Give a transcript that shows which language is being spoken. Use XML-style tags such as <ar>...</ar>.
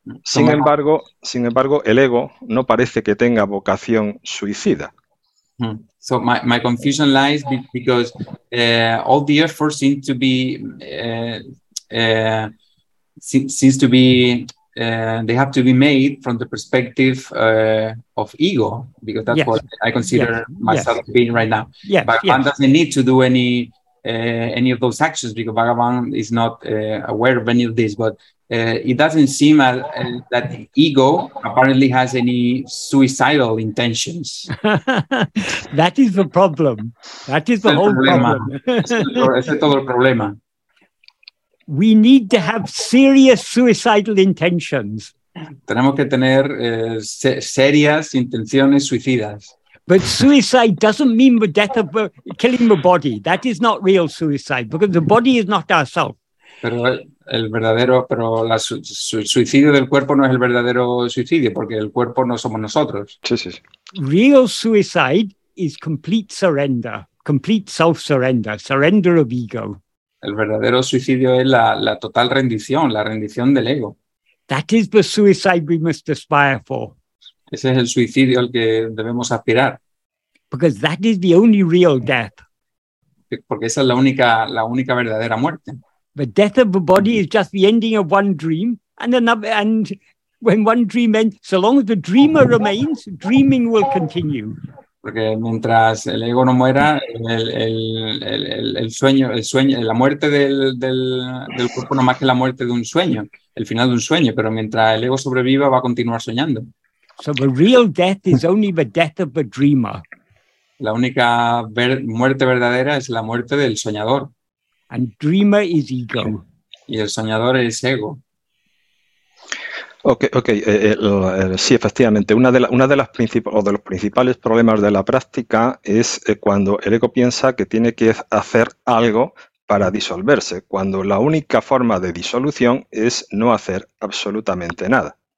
<es>Sin embargo, el ego no parece que tenga vocación suicida.</es> <en>So my confusion lies because all the effort seems to be they have to be made from the perspective of ego, because that's what I consider myself being right now. Bhagavan doesn't need to do any of those actions, because Bhagavan is not aware of any of this. But it doesn't seem that ego apparently has any suicidal intentions. That is the problem. That is the whole problema. Problem.</en> <es>Ese es todo el problema.</es> <en>We need to have serious suicidal intentions.</en> <es>Tenemos que tener serias intenciones suicidas.</es> <en>But suicide doesn't mean the death of killing the body. That is not real suicide, because the body is not ourself.</en> <es>Pero el verdadero, pero el suicidio del cuerpo no es el verdadero suicidio, porque el cuerpo no somos nosotros. Sí, sí, sí.</es> <en>Real suicide is complete surrender, complete self-surrender, surrender of ego.</en> <es>El verdadero suicidio es la total rendición, la rendición del ego.</es> <en>That is the suicide we must aspire for.</en> <es>Ese es el suicidio al que debemos aspirar.</es> <en>Because that is the only real death.</en> <es>Porque esa es la única verdadera muerte.</es> <en>The death of the body is just the ending of one dream, and another, and when one dream ends, so long as the dreamer remains, dreaming will continue.</en> <es>Porque mientras el ego no muera, el sueño, la muerte del cuerpo no más que la muerte de un sueño, el final de un sueño, pero mientras el ego sobreviva, va a continuar soñando.</es> <en>So the real death is only the death of the dreamer.</en> <es>La única muerte verdadera es la muerte del soñador.</es> <en>And dreamer is ego.</en> <es>Y el soñador es ego. Okay. Sí, efectivamente. Uno de los principales problemas de la práctica es cuando el ego piensa que tiene que hacer algo para disolverse, cuando la única forma de disolución es no hacer absolutamente nada.</es>